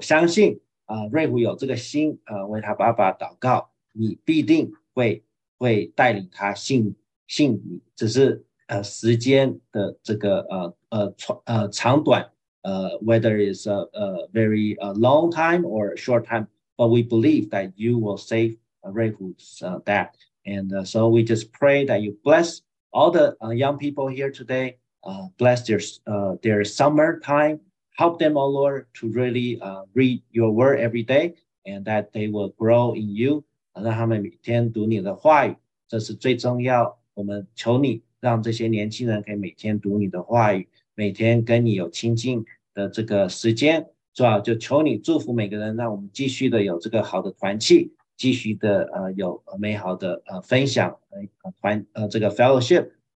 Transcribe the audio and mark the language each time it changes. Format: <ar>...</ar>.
<zh>我相信瑞虎有这个心为他爸爸祷告，你必定会带领他信你，只是时间的这个长短。</zh> <en>Whether it's a very long time or a short time, but we believe that you will save Rayhu's dad. And so we just pray that you bless all the young people here today, bless their summer time, help them, oh Lord, to really read your word every day, and that they will grow in you.</en> <zh>让他们每天读你的话语，这是最重要。我们求你让这些年轻人可以每天读你的话语，每天跟你有亲近的这个时间。主要就求你祝福每个人，让我们继续的有这个好的团契，继续的有美好的分享这个 fellowship。</zh>